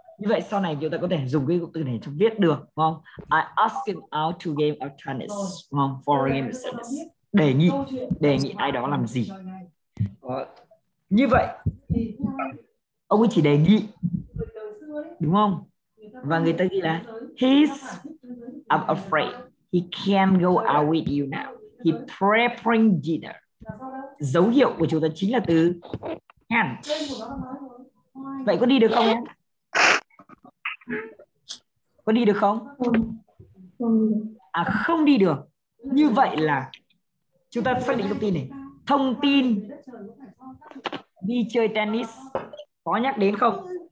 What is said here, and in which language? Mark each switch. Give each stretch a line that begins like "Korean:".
Vietnamese: Như vậy sau này chúng ta có thể dùng cái cụm từ này trong viết được, đúng không?
English: I ask him out to game of tennis,
Vietnamese: đúng không?
English: For a game of tennis.
Vietnamese: Đề nghị ai đó làm gì. Đó. Như vậy ông ấy chỉ đề nghị, đúng không? Và người ta ghi là
English: he's I'm afraid he can't go out with you now. He preparing dinner.
Vietnamese: Dấu hiệu của chúng ta chính là từ can't. Vậy có đi được không? Có đi được không? À, không đi được. Như vậy là chúng ta xác định thông tin này. Thông tin đi chơi tennis có nhắc đến không?